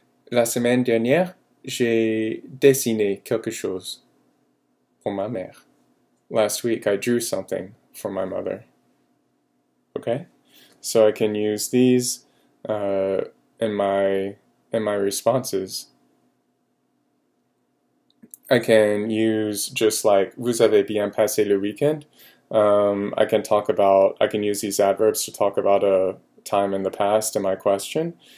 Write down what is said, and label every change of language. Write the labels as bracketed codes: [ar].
[fr] La semaine dernière, j'ai dessiné quelque chose pour ma mère. [en] Last week, I drew something for my mother. Okay? So I can use these in my responses. I can use just like [fr] vous avez bien passé le weekend. [en] I can use these adverbs to talk about a time in the past in my question.